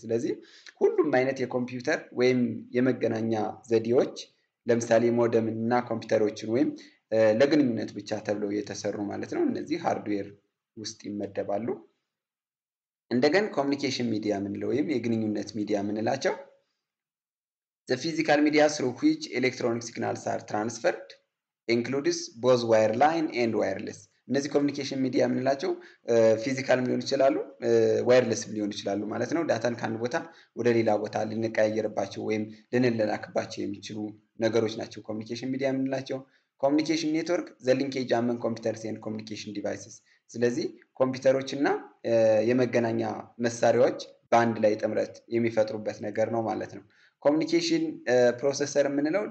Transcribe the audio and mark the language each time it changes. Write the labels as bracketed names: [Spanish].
[Amharic] ስለዚህ ሁሉም አይነት የኮምፒውተር ወይም የመገናኛ ዘዴዎች ለምሳሌ ሞደም እና ኮምፒውተሮችን ወይም ለግንኙነት ብቻ ተብለው የተሰሩ ማለት ነው እነዚህ ሃርድዌር ውስጥ ይመደባሉ። እንደገን ኮሙኒኬሽን ሚዲያ ምንለው ወይም የግንኙነት ሚዲያ ምንላቸው? [English] The physical media through which electronic signals are transferred includes both wireline and wireless. [Amharic] እነዚህ ኮሙኒኬሽን ሚዲያ ምንላቸው? ፊዚካል ሊሆን ይችላሉ፣ ዋየርለስ ሊሆን ይችላሉ ማለት ነው። ዳታን ካንድ ቦታ ወደ ሌላ ቦታ ልንቀያየርባቸው ወይም ልንለላክባቸው የሚችሉ ነገሮች ናቸው ኮሙኒኬሽን ሚዲያ ምንላቸው። [English] ኮሙኒኬሽን ኔትወርክ ዘ ሊንኬጅ አመን ኮምፒውተርስ ኤንድ ኮሙኒኬሽን ዲቫይሰስ። [Amharic] ስለዚህ ኮምፒውተሮችና የመገናኛ መሳሪያዎች ባንድ ላይ ጥምረት የሚፈጥሩበት ነገር ነው ማለት ነው። ኮሙኒኬሽን ፕሮሰሰር ምንለው?